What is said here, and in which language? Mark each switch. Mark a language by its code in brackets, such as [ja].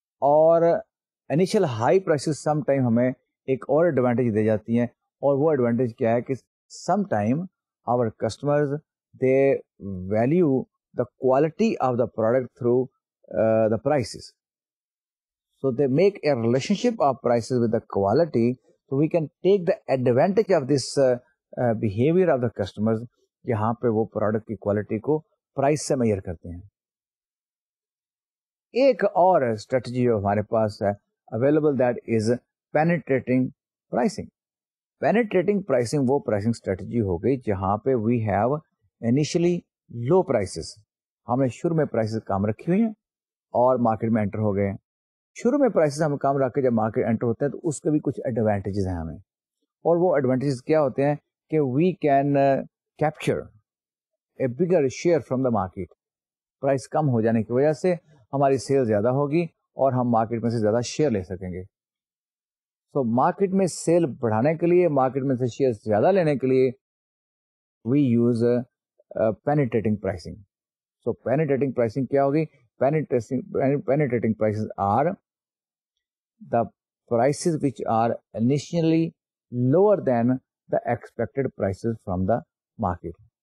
[ur] اور initial high prices [en] Some time ہمیں ایک اور ایڈوانٹیج دے جاتی ہیں اور وہ ایڈوانٹیج کیا ہے کہ some time our customers they value the quality of the product through the prices. So they make a relation of prices with the quality. So we can take the advantage of this behaviour of the customers [ur] جہاں پہ وہ product کی quality کو price سے mayor کرتے ہیں. ایک اور اسٹریٹجی جو ہمارے پاس ہے available [en] That is penetrating pricing. [ur] Penetrating pricing وہ پرائسنگ اسٹریٹجی ہو گئی جہاں پہ [en] we have initially low prices, [ur] ہم نے شروع میں پرائسز کام رکھی ہوئی ہیں اور مارکیٹ میں انٹر ہو گئے ہیں. شروع میں پرائسز ہم کام رکھ کے جب مارکیٹ انٹر ہوتے ہیں تو اس کے بھی کچھ ایڈوانٹیجز ہیں ہمیں, اور وہ ایڈوانٹیجز کیا ہوتے ہیں کہ [en] We can capture a bigger share from the market. [ur] Price کم ہو جانے کی وجہ سے ہماری سیل زیادہ ہوگی اور ہم مارکیٹ میں سے زیادہ شیئر لے سکیں گے. سو مارکیٹ میں سیل بڑھانے کے لیے, مارکیٹ میں سے شیئر زیادہ لینے کے لیے [en] We use penetrating pricing. So penetrating pricing [ur] کیا ہوگی, [en] Penetrating prices are the prices which are initially lower than the expected prices from the market.